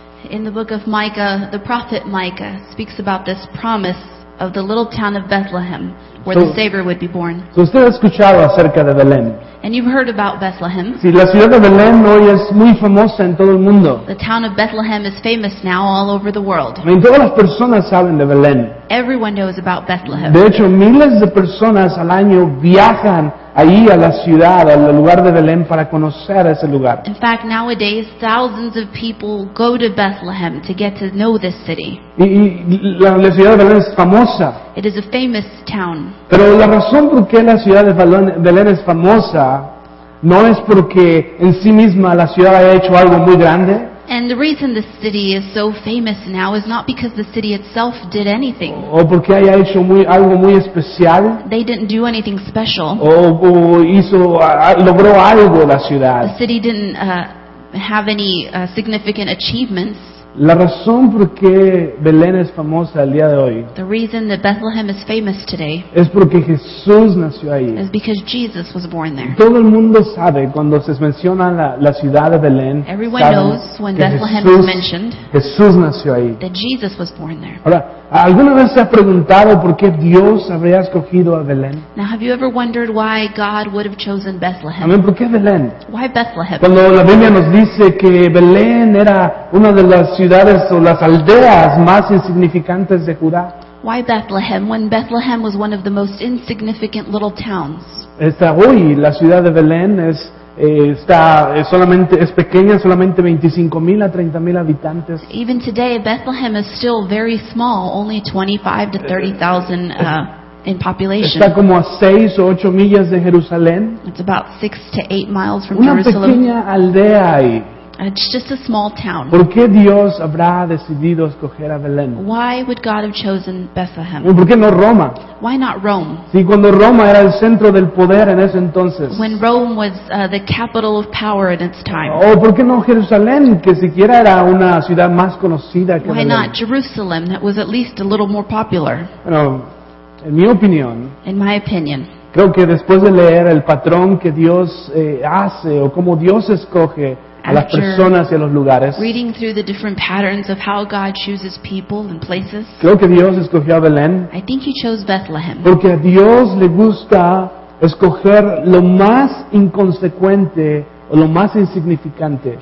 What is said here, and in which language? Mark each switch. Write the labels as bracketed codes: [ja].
[en] In the book of Micah, the prophet Micah speaks about this promise of the little town of Bethlehem, where the Savior would be born. [es] So usted ha escuchado acerca de Belén. [en] And you've heard about Bethlehem. [es] Sí, la ciudad de Belén hoy es muy famosa en todo el mundo. [en] The town of Bethlehem is famous now all over the world. I mean, [es] todas las personas saben de Belén. [en] Everyone knows about Bethlehem. [es] De hecho, miles de personas al año viajan ahí a la ciudad, al lugar de Belén, para conocer ese lugar. [en] In fact, nowadays, thousands of people go to Bethlehem to get to know this city. [es] Y la ciudad de Belén es famosa. [en] It is a famous town. [es] Pero la razón por qué la ciudad de Belén es famosa no es porque en sí misma la ciudad haya hecho algo muy grande. [en] And the reason the city is so famous now is not because the city itself did anything. [es] O porque haya hecho algo muy especial. [en] They didn't do anything special. [es] Logró algo la ciudad. [en] The city didn't have any significant achievements. [es] La razón por qué Belén es famosa el día de hoy. [en] The reason that Bethlehem is famous today. [es] Es porque Jesús nació ahí. [en] Is because Jesus was born there. [es] Todo el mundo sabe cuando se menciona la ciudad de Belén. [en] Everyone knows when Bethlehem is mentioned. [es] Jesús nació ahí. [en] That Jesus was born there. [es] Ahora, ¿alguna vez se ha preguntado por qué Dios habría escogido a Belén? [en] Now, have you ever wondered why God would have chosen Bethlehem? I mean, [es] ¿por qué Belén? [en] Why Bethlehem? [es] Cuando la Biblia nos dice que Belén era una de las ciudades o las aldeas más insignificantes de Judá. [en] Why Bethlehem, when Bethlehem was one of the most insignificant little towns? [es] Está hoy la ciudad de Belén es pequeña, solamente 25,000 a 30,000 habitantes. [en] Even today, Bethlehem is still very small, only 25 to 30,000 in population. [es] Está como a 6 o 8 millas de Jerusalén. [en] It's about 6 to 8 miles from [es] Una [en] Jerusalem. [es] Una pequeña aldea ahí. [en] It's just a small town. [es] ¿Por qué Dios habrá decidido escoger a Belén? [en] Why would God have chosen Bethlehem? [es] ¿Por qué no Roma? [en] Why not Rome? [es] Sí, cuando Roma era el centro del poder en ese entonces. [en] When Rome was the capital of power in its time. [es] ¿O por qué no Jerusalén, que siquiera era una ciudad más conocida que [en] Why [es] Belén? [en] Why not Jerusalem, that was at least a little more popular? [es] Bueno, en mi opinión. [en] In my opinion. [es] Creo que después de leer el patrón que Dios hace o cómo Dios escoge a las personas y a los lugares. [en] Reading through the different patterns of how God chooses people and places. [es] Creo que Dios escogió a Belén. [en] I think he chose Bethlehem. [es] Porque a Dios le gusta escoger lo más inconsecuente o lo más insignificante.